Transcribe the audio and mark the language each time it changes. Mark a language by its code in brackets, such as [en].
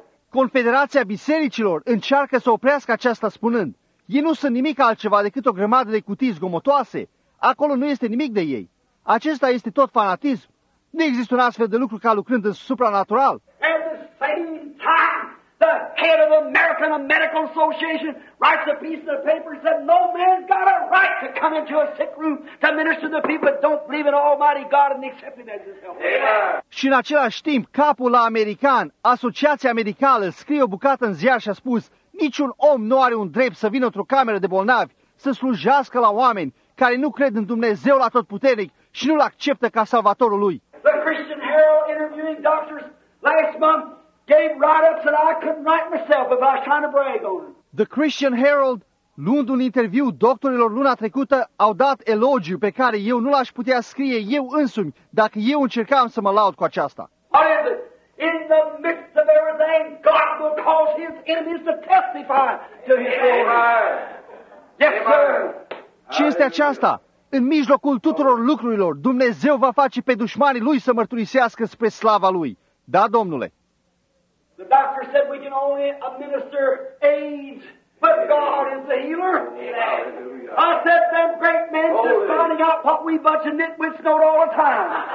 [ro] Confederația bisericilor încearcă să oprească aceasta spunând, ei nu sunt nimic altceva decât o grămadă de cutii zgomotoase, acolo nu este nimic de ei. Acesta este tot fanatism. Nu există un astfel de lucru ca lucrând în supranatural. [en] At the same time, the head of the American Medical Association writes a piece of the paper and said, no man's got a right to come into a sick room to minister to the people that don't believe in Almighty God and accept Him as His helper. [ro] Și în același timp, capul la american, Asociația Medicală, scrie o bucată în ziar și a spus, niciun om nu are un drept să vină într-o cameră de bolnavi, să slujească la oameni care nu cred în Dumnezeu la tot puternic și nu-L acceptă ca salvatorul lui. [en] The Christian Herald interviewing doctors last month gave write-ups that I couldn't write myself if I was trying to brag on them. [ro] The Christian Herald, luând un interviu doctorilor luna trecută, au dat elogiu pe care eu nu l-aș putea scrie eu însumi dacă eu încercam să mă laud cu aceasta. [en] What is it? In the midst of everything, God will cause His enemies to testify to His glory. Yes, sir. [ro] Ce este aceasta? În mijlocul tuturor lucrurilor, Dumnezeu va face pe dușmanii Lui să mărturisească spre slava Lui. Da, Domnule? [en] The doctor said we can only administer AIDS, but God is the healer. Amen. I said them great men just finding out what we bunch of nitwits know all the time.